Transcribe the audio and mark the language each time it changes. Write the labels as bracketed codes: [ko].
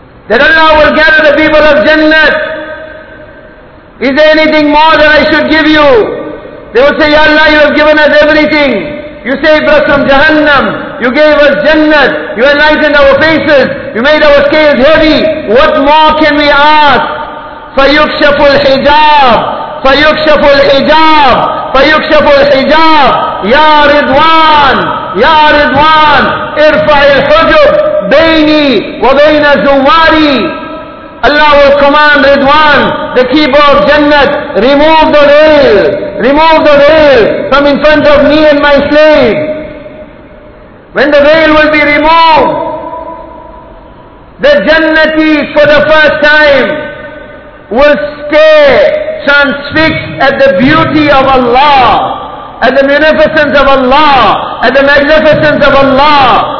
[en] That Allah will gather the people of Jannah. Is there anything more that I should give you? They will say, Ya Allah, you have given us everything. You saved us from Jahannam. You gave us Jannah. You enlightened our faces. You made our scales heavy. What more can we ask? [ar] فَيُكْشَفُ الْحِجَابِ فَيُكْشَفُ الْحِجَابِ فَيُكْشَفُ الْحِجَابِ Ya Ridwan! Ya Ridwan! إِرْفَعِ الْحُجُبِ Baini wa baina zuwari. [en] Allah will command Ridwan, the keeper of Jannat, remove the veil. Remove the veil from in front of me and my slave. When the veil will be removed, the Jannatis for the first time will stare transfixed at the beauty of Allah, at the munificence of Allah, at the magnificence of Allah.